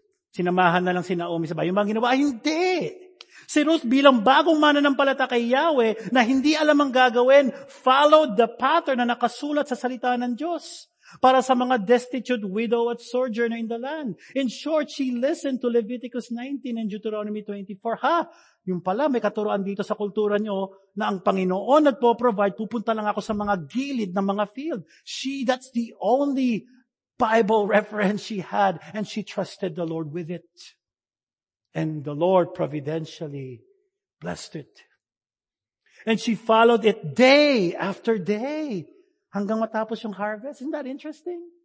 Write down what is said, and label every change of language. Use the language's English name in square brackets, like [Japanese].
[Filipino] Sinamahan na lang si Naomi sa bahay. Yung bang ginawa? Ay, hindi! Si Ruth bilang bagong mananampalata kay Yahweh na hindi alam ang gagawin, [English] followed the pattern [Filipino] na nakasulat sa salita ng Diyos para sa mga [English] destitute widow [Filipino] at [English] sojourner in the land. In short, she listened to Leviticus 19 and Deuteronomy 24. Ha? [Filipino] Yung pala, may katuroan dito sa kultura nyo na ang Panginoon nagpo-provide, pupunta lang ako sa mga gilid ng mga field. [English] That's the only Bible reference she had, and she trusted the Lord with it. And the Lord providentially blessed it. And she followed it day after day. [Filipino] Hanggang matapos yung harvest. [English] Isn't that interesting?